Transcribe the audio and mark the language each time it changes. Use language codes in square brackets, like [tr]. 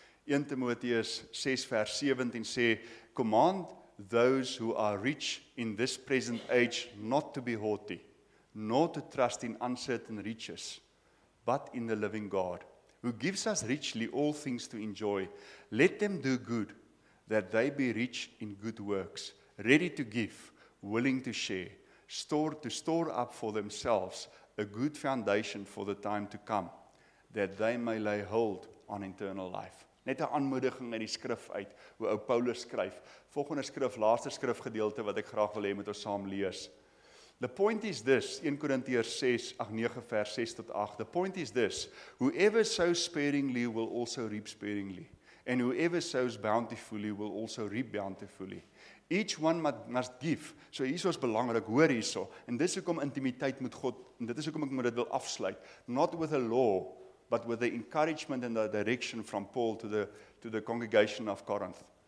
[af] 1 Timoteus 6 vers 17 sê, [en] Command those who are rich in this present age not to be haughty, not to trust in uncertain riches, but in the living God, who gives us richly all things to enjoy. Let them do good, that they be rich in good works, ready to give, willing to share, to store up for themselves a good foundation for the time to come, that they may lay hold on eternal life. [af] Net 'n aanmoediging uit die skrif uit, hoe ou Paulus skryf. Volgende skrif, laaste skrifgedeelte wat ek graag wil hê moet ons saam lees. [en] The point is this, [af] 1 Korintiërs 9 vers 6 tot 8. [en] The point is this, whoever sows sparingly will also reap sparingly, and whoever sows bountifully will also reap bountifully. Each one must give. [af] So hier is belangrik, hoor hier so. En dis hoekom intimiteit met God, en dit is hoekom ek moet dit wil afsluit. [en] Not with a law, but with the encouragement and the direction from Paul to the congregation of Corinth.